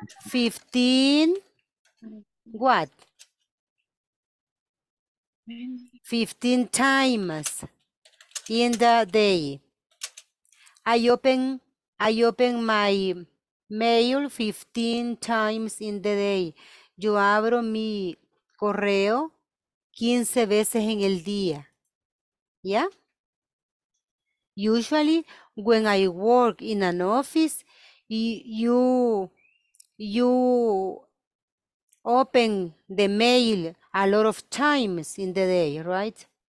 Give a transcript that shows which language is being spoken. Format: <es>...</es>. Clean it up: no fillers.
<en>15 what? 15 times in the day. I open my mail 15 times in the day.</en> <es>Yo abro mi correo 15 veces en el día.</es> <en>¿Ya? Yeah? Usually when I work in an office, you open the mail a lot of times in the day, right?</en>